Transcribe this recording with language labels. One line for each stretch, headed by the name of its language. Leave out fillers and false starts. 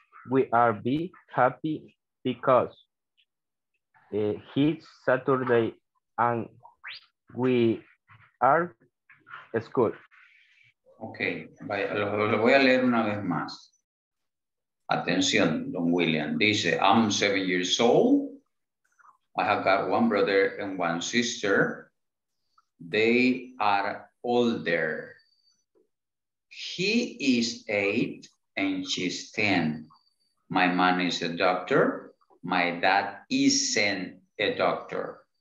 English: We are be happy because he's Saturday and we are school.
Spanish: Okay, vaya, lo voy a leer una vez más. Atención, don William. Dice,
English: I'm 7 years old. I have got one brother and one sister. They are older. He is 8 and she's 10. My mom is a doctor. My dad isn't a doctor.